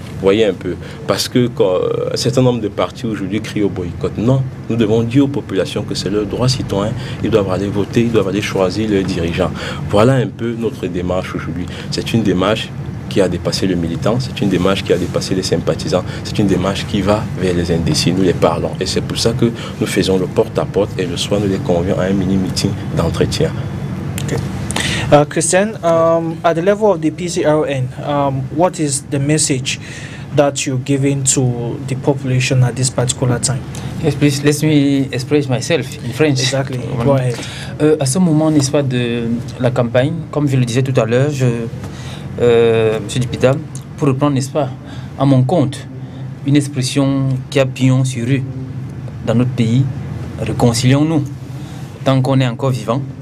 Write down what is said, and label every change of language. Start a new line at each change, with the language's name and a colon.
French: Voyez un peu, parce que quand un certain nombre de partis aujourd'hui crient au boycott, non, nous devons dire aux populations que c'est leur droit citoyen, ils doivent aller voter, ils doivent aller choisir leurs dirigeants. Voilà un peu notre démarche aujourd'hui. C'est une démarche qui a dépassé le militant, c'est une démarche qui a dépassé les sympathisants, c'est une démarche qui va vers les indécis, nous les parlons. Et c'est pour ça que nous faisons le porte-à-porte et le soir nous les convions à un mini-meeting d'entretien.
English: Christiane, at the level of the PCRN, what is the message that you're giving to the population at this particular time? Yes, please, let me express myself in French. Exactly, go ahead.
French: À ce moment, n'est-ce pas, de la campagne, comme je le disais tout à l'heure, Monsieur Dupita, pour reprendre, n'est-ce pas, à mon compte, une expression qui a pignon sur rue dans notre pays, réconcilions-nous tant qu'on est encore vivant.